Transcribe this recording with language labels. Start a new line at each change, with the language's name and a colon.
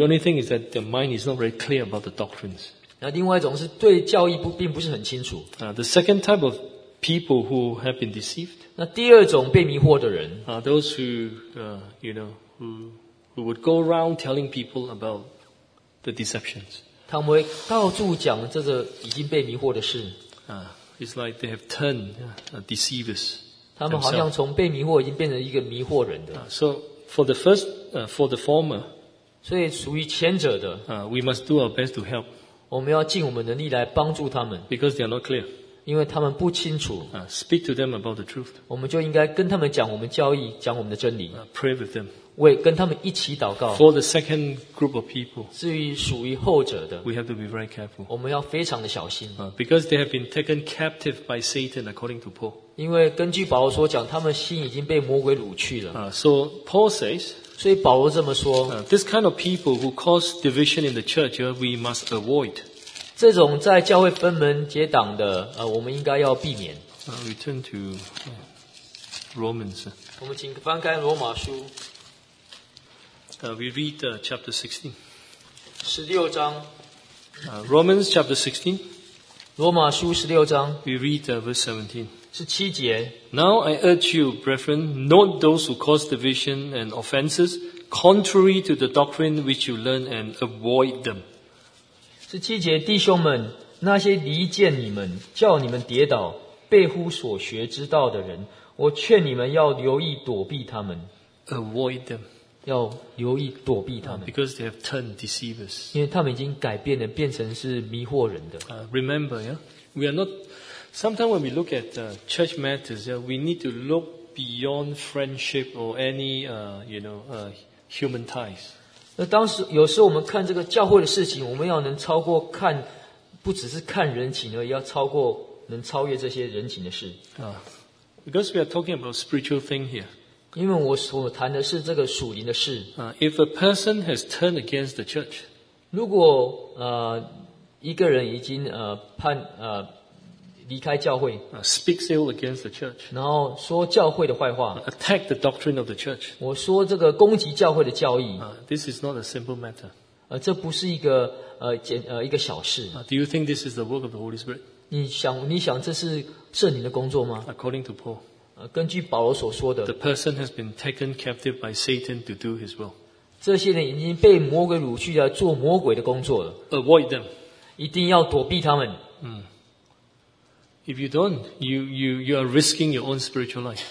English: The only thing is that their mind is not very clear about the doctrines.
Chinese: 另外一种是对教义并不是很清楚。
English: The second type of people who have been deceived.
Chinese: 那第二种被迷惑的人。
English: Those who, you know, who would go around telling people about the deceptions.
Chinese: 他们会到处讲这个已经被迷惑的事。
English: It's like they have turned deceivers.
Chinese: 他们好像从被迷惑已经变成一个迷惑人的。
English: So for the first, for the former,
Chinese: 所以属于前者的,
English: we must do our best to help.
Chinese: 我们要尽我们能力来帮助他们,
English: because they are not clear.
Chinese: 因为他们不清楚。
English: Speak to them about the truth.
Chinese: 我们就应该跟他们讲我们教义，讲我们的真理。
English: Pray with them.
Chinese: 为跟他们一起祷告。
English: For the second group of people,
Chinese: 至于属于后者的,
English: we have to be very careful.
Chinese: 我们要非常的小心。
English: Because they have been taken captive by Satan, according to Paul.
Chinese: 因为根据保罗所讲, 他们心已经被魔鬼掳去了。
English: So Paul says,
Chinese: 所以保罗这么说,
English: this kind of people who cause division in the church, we must avoid.
Chinese: 这种在教会分门结党的, 我们应该要避免。
English: We turn to Romans.
Chinese: 我们请翻开罗马书。
English: We read chapter 16.
Chinese: 16章,
English: Romans chapter 16.
Chinese: 罗马书16章,
English: we read verse 17.
Chinese: 是七节,
English: now I urge you, brethren, note those who cause division and offenses contrary to the doctrine which you learn and avoid them.
Chinese: 17节, 弟兄们, 那些离间你们, 叫你们跌倒, 背乎所学之道的人, 我劝你们要留意躲避他们。
English: Avoid them.
Chinese: 要留意躲避他们。
English: Because they have turned deceivers.
Chinese: 因为他们已经改变了, 变成是迷惑人的。
English: Remember, yeah? We are not, sometimes when we look at church matters, yeah, we need to look beyond friendship or any, human ties.
Chinese: 有时候我们看这个教会的事情, 我们要能超过看, 不只是看人情而已, 要超过, 能超越这些人情的事。
English: Because we are talking about spiritual thing here.
Chinese: 因为我所谈的是这个属灵的事。
English: If a person has turned against the church,
Chinese: 如果, 一个人已经, 判, 离开教会,
English: speaks ill against the church,
Chinese: 然后说教会的坏话,
English: attack the doctrine of the church,
Chinese: 我说这个攻击教会的教义,
English: this is not a simple matter.
Chinese: 这不是一个, 一个小事。
English: Do you think this is the work of the Holy Spirit?
Chinese: 你想这是圣灵的工作吗?
English: According to Paul,
Chinese: 根据保罗所说的,
English: the person has been taken captive by Satan to do his will.
Chinese: 这些人已经被魔鬼掳去了，做魔鬼的工作了。
English: Avoid them.
Chinese: 一定要躲避他们。
English: If you don't, you are risking your own spiritual life.